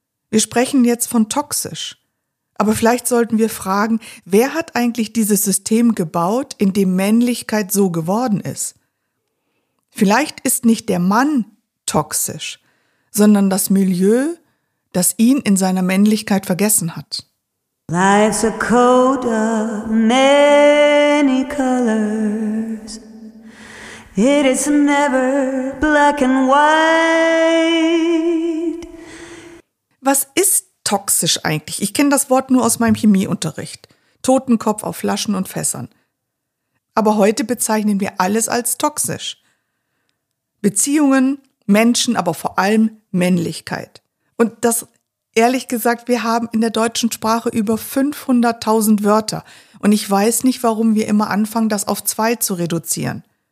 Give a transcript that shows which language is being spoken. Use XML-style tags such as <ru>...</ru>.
<de>Wir sprechen jetzt von toxisch. Aber vielleicht sollten wir fragen, wer hat eigentlich dieses System gebaut, in dem Männlichkeit so geworden ist? Vielleicht ist nicht der Mann toxisch, sondern das Milieu, das ihn in seiner Männlichkeit vergessen hat.</de> <en>Life's a coat of many colors. It is never black and white.</en> <de>Was ist toxisch eigentlich? Ich kenne das Wort nur aus meinem Chemieunterricht. Totenkopf auf Flaschen und Fässern. Aber heute bezeichnen wir alles als toxisch. Beziehungen, Menschen, aber vor allem Männlichkeit. Und das, ehrlich gesagt, wir haben in der deutschen Sprache über 500.000 Wörter und ich weiß nicht, warum wir immer anfangen, das auf zwei zu reduzieren.</de>